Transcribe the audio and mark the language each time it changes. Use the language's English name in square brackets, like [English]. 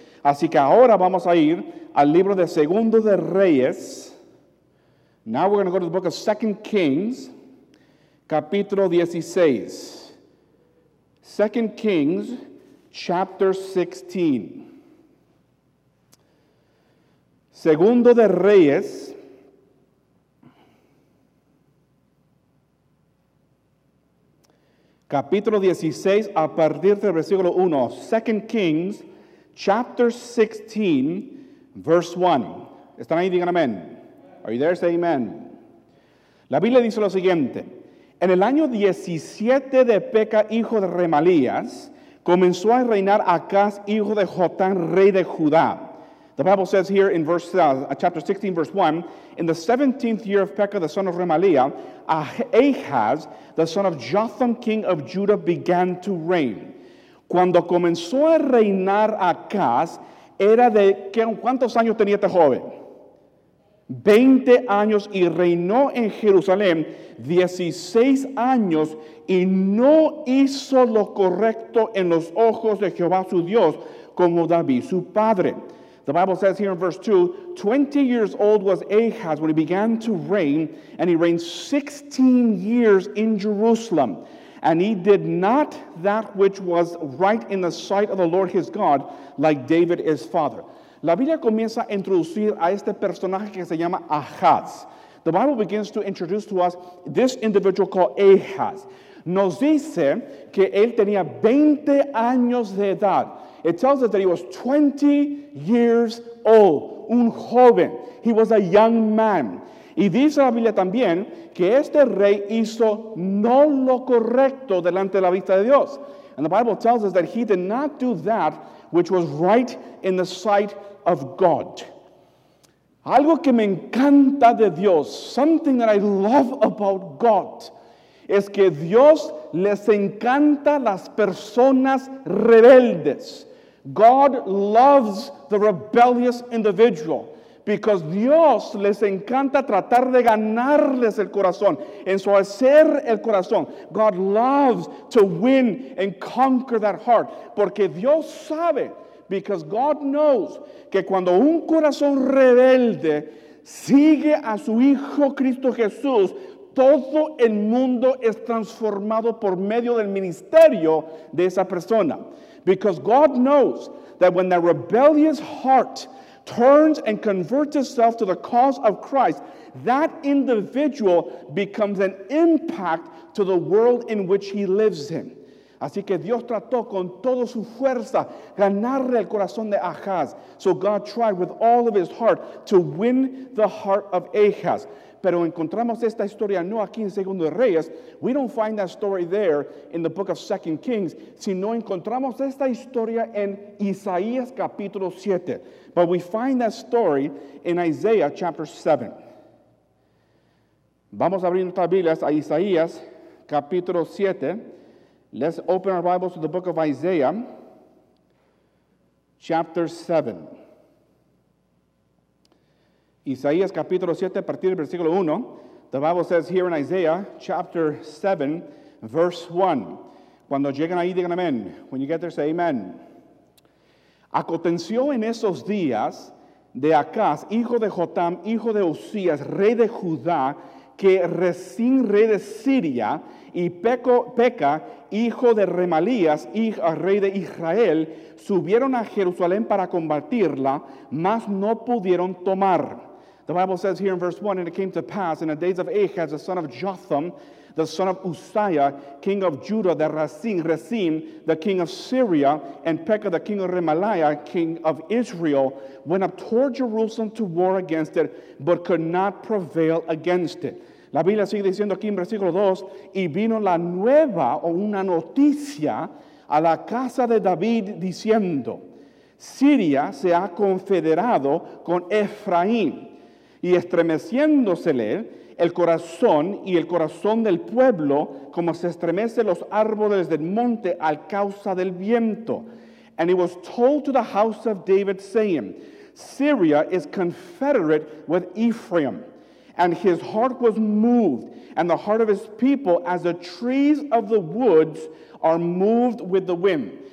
[Spanish] Así que ahora vamos a ir al libro de Segundo de Reyes. [English] Now we're going to go to the book of 2 Kings, capítulo 16. 2 Kings, chapter 16. [Spanish] Segundo de Reyes, capítulo 16, a partir del versículo 1, [English] 2 Kings, chapter 16, verse 1. [Spanish] ¿Están ahí? Digan amén. [English] Are you there? Say amen. [Spanish] La Biblia dice lo siguiente. En el año 17 de Peca, hijo de Remalías, comenzó a reinar Acaz, hijo de Jotán, rey de Judá. [English] The Bible says here in verse chapter 16, verse 1, in the 17th year of Pekah, the son of Remaliah, Ahaz, the son of Jotham, king of Judah, began to reign. [Spanish] Cuando comenzó a reinar Acaz, era de, ¿cuántos años tenía este joven? 20 años y reinó en Jerusalén 16 años y no hizo lo correcto en los ojos de Jehová su Dios como David su padre. [English] The Bible says here in verse 2, 20 years old was Ahaz when he began to reign, and he reigned 16 years in Jerusalem. And he did not that which was right in the sight of the Lord his God, like David his father. [Spanish] La Biblia comienza a introducir a este personaje que se llama Ahaz. [English] The Bible begins to introduce to us this individual called Ahaz. [Spanish] Nos dice que él tenía 20 años de edad. [English] It tells us that he was 20 years old, [Spanish] un joven. [English] He was a young man. [Spanish] Y dice la Biblia también que este rey hizo no lo correcto delante de la vista de Dios. [English] And the Bible tells us that he did not do that which was right in the sight of God. [Spanish] Algo que me encanta de Dios, [English] something that I love about God, [Spanish] es que Dios les encanta las personas rebeldes. [English] God loves the rebellious individual. [Spanish] Because Dios les encanta tratar de ganarles el corazón, ensuavecer el corazón. [English] God loves to win and conquer that heart. [Spanish] Porque Dios sabe, [English] because God knows, [Spanish] que cuando un corazón rebelde sigue a su Hijo Cristo Jesús, todo el mundo es transformado por medio del ministerio de esa persona. [English] Because God knows that when that rebellious heart turns and converts itself to the cause of Christ, that individual becomes an impact to the world in which he lives in. [Spanish] Así que Dios trató con toda su fuerza ganarle el corazón de Ahaz. [English] So God tried with all of his heart to win the heart of Ahaz. [Spanish] Pero encontramos esta historia no aquí en Segundo de Reyes. [English] We don't find that story there in the book of 2 Kings, [Spanish] sino encontramos esta historia en Isaías capítulo 7. [English] But we find that story in Isaiah chapter 7. [Spanish] Vamos a abrir nuestras Biblias a Isaías capítulo 7. [English] Let's open our Bibles to the book of Isaiah chapter 7. [Spanish] Isaías capítulo 7, a partir del versículo 1, [English] the Bible says here in Isaiah chapter 7, verse 1. [Spanish] Cuando lleguen ahí, digan amén. [English] When you get there, say amen. [Spanish] Aconteció en esos días de Acaz, hijo de Jotam, hijo de Usías, rey de Judá, que Resín, rey de Siria, y Peca, hijo de Remalías, rey de Israel, subieron a Jerusalén para combatirla, mas no pudieron tomar. [English] The Bible says here in verse 1, and it came to pass in the days of Ahaz, the son of Jotham, the son of Uzziah, king of Judah, that Resin, the king of Syria, and Pekah, the king of Remaliah, king of Israel, went up toward Jerusalem to war against it, but could not prevail against it. [Spanish] La Biblia sigue diciendo aquí en versículo 2, y vino la nueva o una noticia a la casa de David diciendo, Siria se ha confederado con Efraín. Y estremeciéndosele el corazón y el corazón del pueblo, como se estremece los árboles del monte al causa del viento. [English] And it was told to the house of David, saying, Syria is confederate with Ephraim. And his heart was moved, and the heart of his people, as the trees of the woods are moved with the wind.